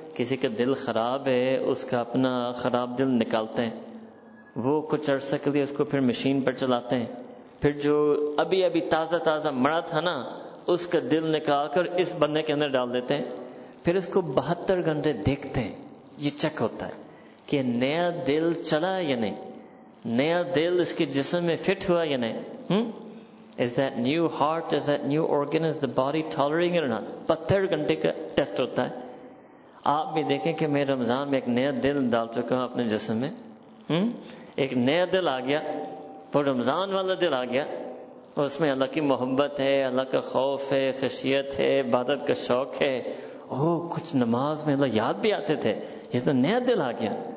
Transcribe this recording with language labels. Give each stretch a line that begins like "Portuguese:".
Urdu: کسی کا دل خراب ہے, اس کا اپنا خراب دل نکالتے ہیں, وہ کچھ عرصہ کے لیے اس کو پھر مشین پر چلاتے ہیں, پھر جو ابھی ابھی تازہ تازہ مرا تھا نا, اس کا دل نکال کر اس بندے کے اندر ڈال دیتے ہیں, پھر اس کو 72 گھنٹے دیکھتے ہیں. یہ چیک ہوتا ہے کہ نیا دل چلا یا نہیں, نیا دل اس کے جسم میں فٹ ہوا یا نہیں.
English: Is that new heart, is that new organ, is the body tolerating it or not?
Urdu: 72 گھنٹے کا ٹیسٹ ہوتا ہے. آپ بھی دیکھیں کہ میں رمضان میں ایک نیا دل ڈال چکا ہوں اپنے جسم میں, ایک نیا دل آ گیا, وہ رمضان والا دل آ گیا, اس میں اللہ کی محبت ہے, اللہ کا خوف ہے, خشیت ہے, عبادت کا شوق ہے. او کچھ نماز میں اللہ یاد بھی آتے تھے, یہ تو نیا دل آ گیا.